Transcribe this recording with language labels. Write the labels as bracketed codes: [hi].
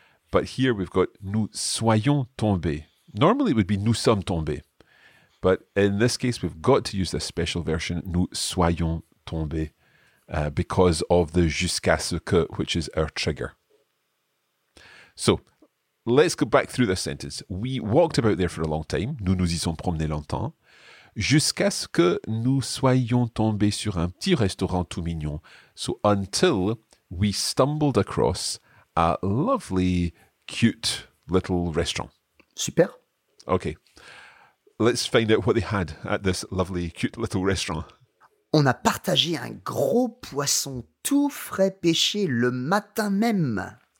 [en] But here we've got nous soyons tombés. Normally it would be nous sommes tombés. But in this case, we've got to use the special version, nous soyons tombés, because of the jusqu'à ce que, which is our trigger. So let's go back through the sentence. We walked about there for a long time. [fr] Nous nous y sommes promenés longtemps. Jusqu'à ce que nous soyons tombés sur un petit restaurant tout mignon. [en] So until we stumbled across a lovely, cute little restaurant. Super. Okay. Let's find out what they had at this lovely, cute little restaurant. [fr] On a partagé un gros poisson tout frais pêché le matin même.